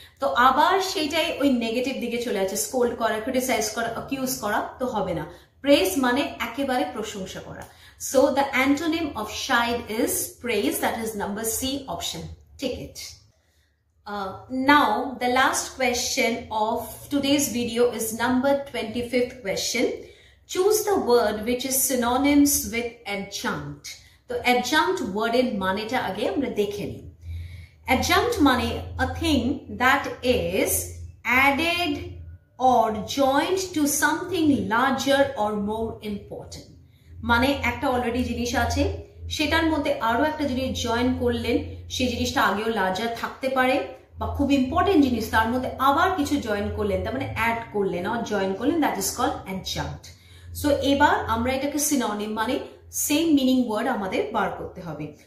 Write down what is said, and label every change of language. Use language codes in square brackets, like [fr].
[bn] তো আবার সেটাই ওই নেগেটিভ দিকে চলে আসে, স্কোল্ড করা, ক্রিটিসাইজ করা, অ্যাকিউজ করা, তো হবে না. প্রেজ মানে একেবারে প্রশংসা করা. [en] So the antonym of chide is praise, that is number C option, take it. Now the last question of today's video is number 25th question. Choose the word which is synonyms with adjunct. So adjunct word in [bn] mane ta age amra dekheni. [en] Adjunct mane a thing that is added or joined to something larger or more important. [bn] মানে একটা already জিনিস আছে, সেটার মধ্যে আরো একটা জিনিস join করলেন, সেই জিনিসটা আগেও লার্জার থাকতে পারে বা খুব ইম্পর্টেন্ট জিনিস, তার মধ্যে আবার কিছু জয়েন করলেন, তার মানে অ্যাড করলেন আর জয়েন করলেন, [en] That is call adjunct. [bn] সো এবার আমরা এটাকে সিনোনিম মানে সেম মিনিং ওয়ার্ড আমাদের বার করতে হবে।